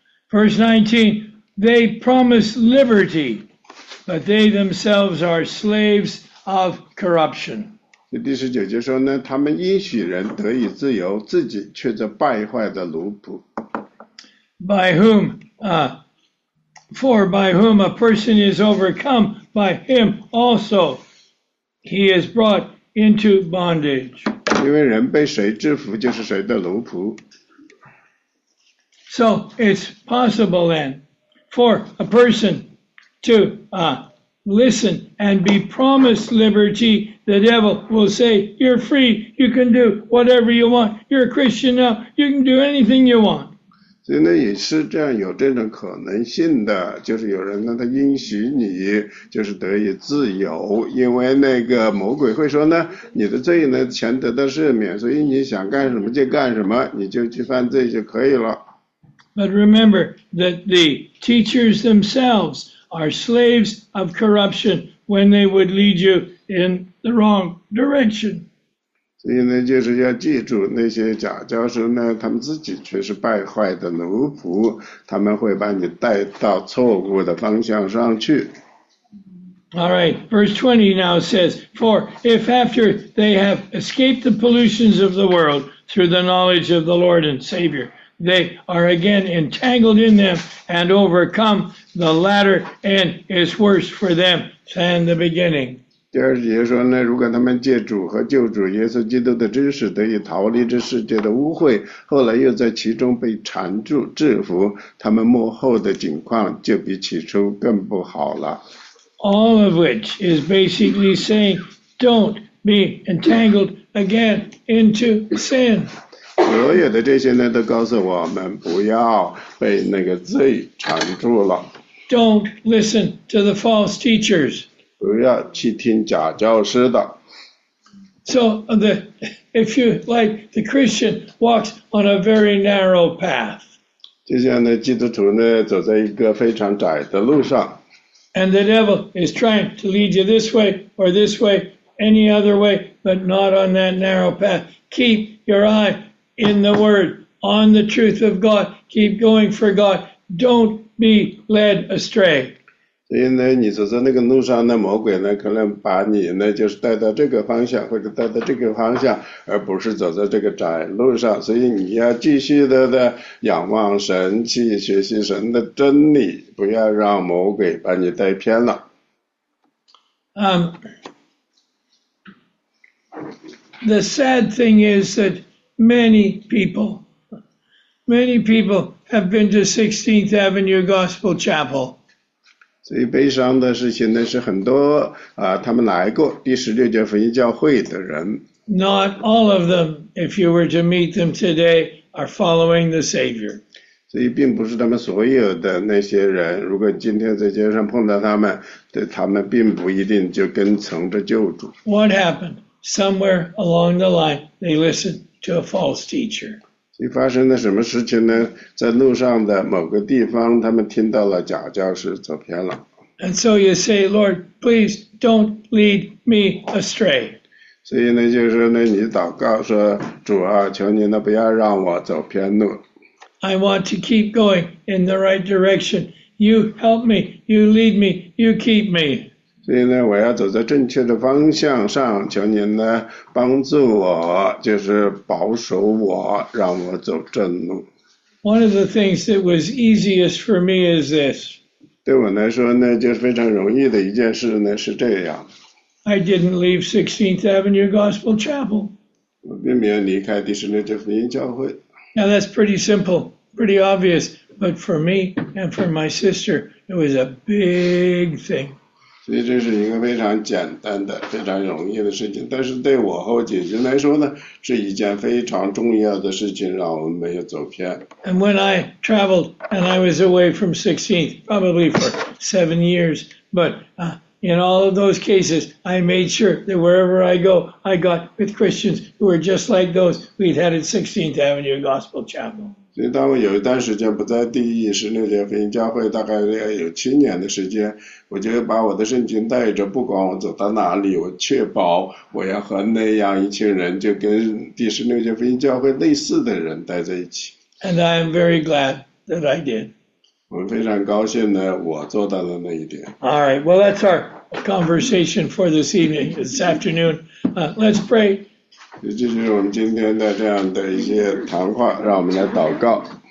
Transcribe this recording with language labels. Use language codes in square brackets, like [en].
[en] verse 19, they promise liberty, but they themselves are slaves of corruption. [zh] 第十九节说呢，他们应许人得以自由，自己却是败坏的奴仆。 [en] By whom, for by whom a person is overcome, by him also he is brought into bondage. [zh] 因为人被谁制服就是谁的奴仆。 [en] So it's possible then for a person to listen and be promised liberty, the devil will say, you're free, you can do whatever you want, you're a Christian now, you can do anything you want. [zh] 所以呢也是这样有这种可能性的，就是有人呢他应许你就是得以自由，因为那个魔鬼会说呢，你的罪呢全得到赦免，所以你想干什么就干什么，你就去犯罪就可以了。 [en] But remember that the teachers themselves are slaves of corruption when they would lead you in the wrong direction. [zh] 所以呢，就是要记住那些假教授呢，他们自己却是败坏的奴仆，他们会把你带到错误的方向上去。 [en] All right, verse 20 now says, For if after they have escaped the pollutions of the world through the knowledge of the Lord and Savior, they are again entangled in them and overcome, the latter end is worse for them than the beginning. [zh] 第二节说呢，如果他们借主和救主耶稣基督的知识得以逃离这世界的污秽，后来又在其中被缠住制服，他们幕后的景况就比起初更不好了。 [en] All of which is basically saying, don't be entangled again into sin. [zh] 所有的这些呢，都告诉我们不要被那个罪缠住了。 [en] Don't listen to the false teachers. [zh] 不要去听假教师的。 [en] So the, if you like, the Christian walks on a very narrow path. [zh] 就像呢，基督徒呢，走在一个非常窄的路上。 [en] And the devil is trying to lead you this way or this way, any other way, but not on that narrow path. Keep your eye in the Word, on the truth of God. Keep going for God. Don't be led astray. [zh] 所以呢，你走在那个路上，那魔鬼呢，可能把你呢，就是带到这个方向，或者带到这个方向，而不是走在这个窄路上。所以你要继续的仰望神，去学习神的真理，不要让魔鬼把你带偏了。 [en] The sad thing is that many people have been to 16th Avenue Gospel Chapel. [zh] 最悲伤的事情呢，是很多他们来过第十六届福音教会的人。 [en] Not all of them, if you were to meet them today, are following the Savior. [zh] 所以并不是他们所有的那些人，如果今天在街上碰到他们，对他们并不一定就跟从着救主。 [en] What happened? Somewhere along the line, they listened to a false teacher. [zh] 所以发生了什么事情呢？在路上的某个地方，他们听到了假教师走偏了。 [en] And so you say, Lord, please don't lead me astray. [zh] 所以呢，就是呢，你祷告说，主啊，求你呢，不要让我走偏路。 [en] I want to keep going in the right direction. You help me. You lead me. You keep me. [zh] 所以呢，我要走在正确的方向上，求您呢帮助我，就是保守我，让我走正路。 [en] One of the things that was easiest for me is this. [zh] 对我来说呢，就是非常容易的一件事呢，是这样。 [en] I didn't leave 16th Avenue Gospel Chapel. [zh] 我并没有离开第十六届福音教会。 [en] Now that's pretty simple, pretty obvious, but for me and for my sister, it was a big thing. [zh] 所以这是一个非常简单的、非常容易的事情，但是对我和我姐姐来说呢，是一件非常重要的事情，让我们没有走偏。 [en] And when I traveled and I was away from 16th, probably for 7 years, but in all of those cases, I made sure that wherever I go, I got with Christians who were just like those we'd had at 16th Avenue Gospel Chapel. [zh] 所以当我有一段时间不在第十六届福音教会，大概有7年的时间，我就把我的圣经带着，不管我走到哪里，我确保我要和那样一群人，就跟第十六届福音教会类似的人待在一起。 [en] And I am very glad that I did. [zh] 我非常高兴呢，我做到了那一点。 [en] All right, well, that's our conversation for this evening, this afternoon. Let's pray. [zh] 这就是我们今天的这样的一些谈话，让我们来祷告。